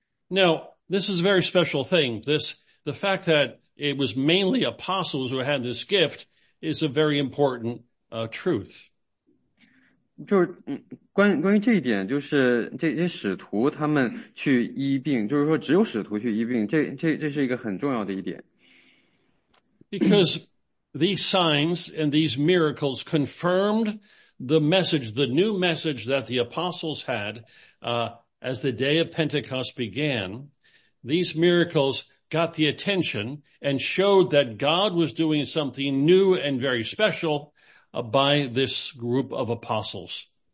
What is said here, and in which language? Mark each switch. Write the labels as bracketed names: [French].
[English] Now, this is a very special thing. The fact that it was mainly apostles who had this gift is a very important truth. [Chinese] 就是关于这一点，就是这些使徒他们去医病，就是说只有使徒去医病，这是一个很重要的一点。 [English] Because these signs and these miracles confirmed the message, the new message that the apostles had as the day of Pentecost began. These miracles got the attention and showed that God was doing something new and very special by this group of apostles.